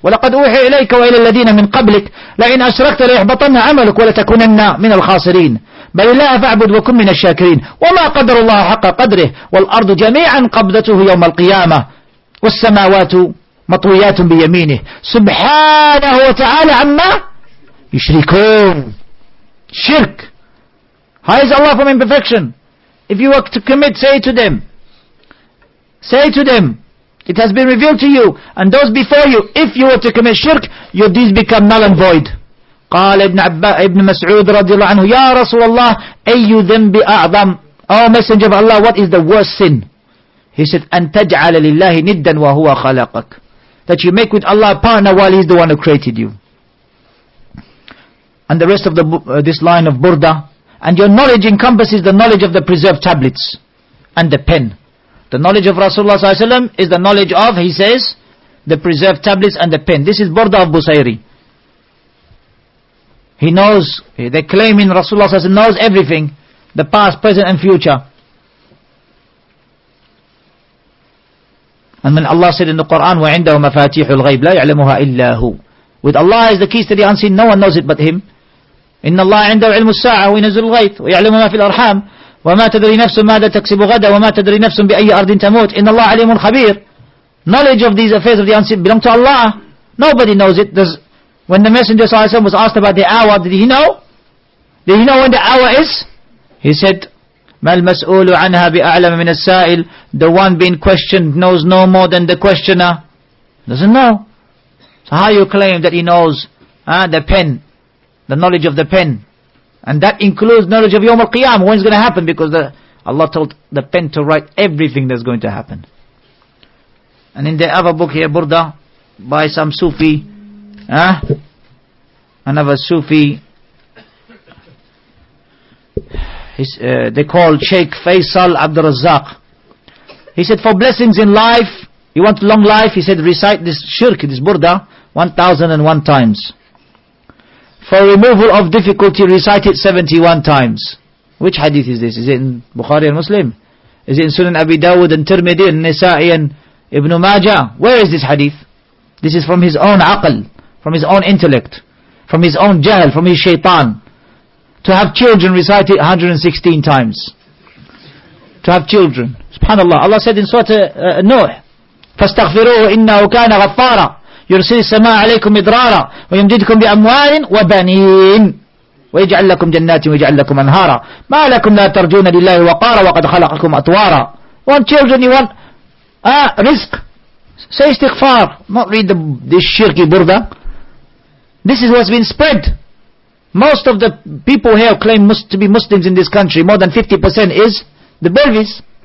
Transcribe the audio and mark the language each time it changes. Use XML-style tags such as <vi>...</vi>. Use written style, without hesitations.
<ar>وَلَقَدْ أُوحِي إِلَيْكَ وَإِلَى الَّذِينَ مِنْ قَبْلِكَ لَإِنْ أَشْرَكْتَ لَيَحْبَطَنَّ عَمَلُكَ وَلَتَكُونَنَّ مِنَ الْخَاسِرِينَ بَلِ اللَّهَ فَاعْبُدْ وَكُنْ مِنَ الشَّاكِرِينَ وَمَا قَدَرُ اللَّهَ حَقَّ قَدْرِهِ وَالْأَرْضُ جَمِيعًا قَبْضَتُهُ يَوْمَ الْقِيَامَةِ وَالسَّمَاوَاتُ مَطْوِيَاتٌ بِيَمِينِهِ سُبْحَانَهُ وَتَعَالَى عَمَّا يُشْرِكُونَ. Shirk.</ar> <en>How is Allah from imperfection? If you were to commit, say to them, it has been revealed to you and those before you, if you were to commit shirk, your deeds become null and void.</en> <ar>قال ابن مسعود رضي الله عنه يا رسول الله أي ذنب أعظم.</ar> <en>Oh Messenger of Allah, what is the worst sin? He said,</en> <ar>أن تجعل لله ندا وهو خلقك.</ar> <en>That you make with Allah a partner while He's the one who created you. And the rest of this line of Burda, and your knowledge encompasses the knowledge of the preserved tablets and the pen. The knowledge of Rasulullah SAW is the knowledge of, he says, the preserved tablets and the pen. This is Burda of Busayri. He knows, they're claiming Rasulullah SAW knows everything, the past, present and future. And then Allah said in the Quran,</en> <ar>وَعِنْدَهُ مَفَاتِيحُ الْغَيْبِ لَا يَعْلَمُهَا إِلَّا هُوَ.</ar> <en>With Allah is the keys to the unseen, no one knows it but Him.</en> <ar>إِنَّ اللَّهَ عِنْدَهُ عِلْمُ السَّاعَةُ وَيُنَزِّلُ الْغَيْثَ وَيَعْلَمُ مَا فِي الْأَرْحَامِ وَمَا تَدْرِي نَفْسٌ مَاذَا تَكْسِبُ غَدًا وَمَا تَدْرِي نَفْسٌ بِأَيِّ أَرْضٍ تَمُوتُ إِنَّ اللَّهَ عَلِيمٌ خَبِيرٌ.</ar> <en>Knowledge of these affairs of the unseen belong to Allah. Nobody knows it. When the Messenger صلى الله عليه وسلم was asked about the hour, did he know? Did he know when the hour is? He said,</en> <ar>مَا الْمَسْؤُولُ عَنْهَا بِأَعْلَمَ مِنَ السَّائِلِ.</ar> <en>The one being questioned knows no more than the questioner. Doesn't know. So how you claim that he knows the pen, the knowledge of the pen? And that includes knowledge of Yawm al-Qiyam, when it's going to happen, because Allah told the pen to write everything that's going to happen. And in the other book here, Burda, by some Sufi, another Sufi, they call Sheikh Faisal Abdul Razzaq. He said, for blessings in life, you want long life, he said, recite this shirk, this Burda, 1001 times. For removal of difficulty, recite it 71 times. Which hadith is this? Is it in Bukhari and Muslim? Is it in Sunan Abi Dawud and Tirmidhi and Nisa'i and Ibn Majah? Where is this hadith? This is from his own aql, from his own intellect, from his own jahl, from his shaitan. To have children, recite it 116 times. To have children. SubhanAllah. Allah said in Surah Nuh,</en> <ar>فَاسْتَغْفِرُوهُ إِنَّهُ كَانَ غَفَّارًا يُرْسِلِ السَّمَاءَ عَلَيْكُمْ مِدْرَارًا وَيُمْدِدْكُمْ بِأَمْوَالٍ وَبَنِينَ وَيَجْعَلْ لَكُمْ جَنَّاتٍ وَيَجْعَلْ لَكُمْ أَنْهَارًا مَا لَكُمْ لَا تَرْجُونَ لِلَّهِ وَقَارًا وَقَدْ خَلَقَكُمْ أَطْوَارًا.</ar> <en>Want children, you want risk. Say istighfar, not read this shirki burda. This is what's been spread. Most of the people here claim to be Muslims in this country, more than 50% is the Bervis.</en>